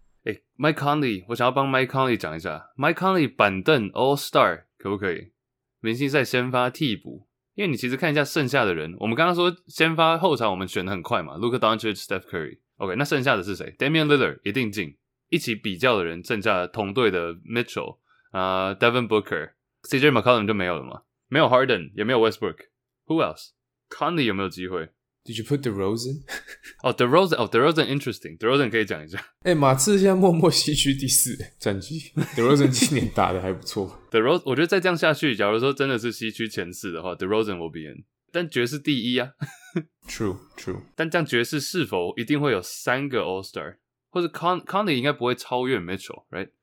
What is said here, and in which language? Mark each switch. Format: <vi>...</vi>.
<zh>欸 Mike Conley， 我想要帮 Mike Conley 讲一下 Mike Conley 板凳 All-Star 可不可以明星赛先发替补，因为你其实看一下剩下的人，我们刚刚说先发后场我们选的很快嘛， Luka Doncic、 Steph Curry， OK， 那剩下的是谁？ Damian Lillard 一定进，一起比较的人剩下同队的 Mitchell、Devin Booker、 CJ McCollum 就没有了嘛，没有 Harden 也没有 Westbrook，</zh> <en>Who else？</en> <zh>Conley 有没有机会？</zh> <en>Did you put DeRozan？</en> <zh>哦、oh, DeRozan， 哦、</zh> <en>oh, DeRozan interesting，</en> <zh>DeRozan 可以讲一下。欸，马刺现在默默西区第四战绩， DeRozan 今年打的还不错。 DeRozan， 我觉得再这样下去，假如说真的是西区前四的话， DeRozan</zh> <en>will be in，</en> <zh>但爵士第一啊。</zh> <en>True， true。</en> <zh>但这样爵士是否一定会有三个 All-Star？ 或是 Conley 应该不会超越 Mitchell，</zh> <en>right？</en>